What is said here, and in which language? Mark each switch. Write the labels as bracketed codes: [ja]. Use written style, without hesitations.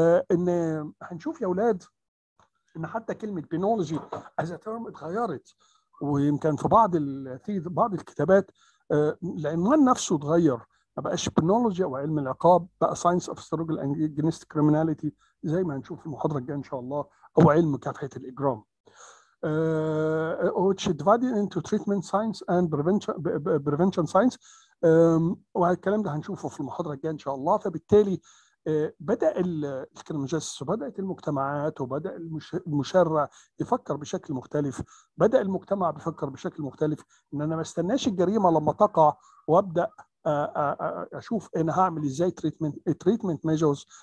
[ar] ان هنشوف يا اولاد ان حتى كلمه [en] penology as term [ar] اتغيرت، ويمكن في بعض الكتابات العنوان نفسه اتغير، ما بقاش بنولوجيا وعلم العقاب، بقى [en] science of struggle against criminality [ar] زي ما هنشوف في المحاضره الجايه ان شاء الله، او علم مكافحه الاجرام. [en] which divided into treatment science and prevention science. [ar] والكلام ده هنشوفه في المحاضره الجايه ان شاء الله. فبالتالي بدا الكريمنولوجيست وبدات المجتمعات وبدا المشرع يفكر بشكل مختلف، بدا المجتمع بيفكر بشكل مختلف، ان انا ما استناش الجريمه لما تقع وابدا اشوف انا هعمل ازاي تريتمنت ميجرز.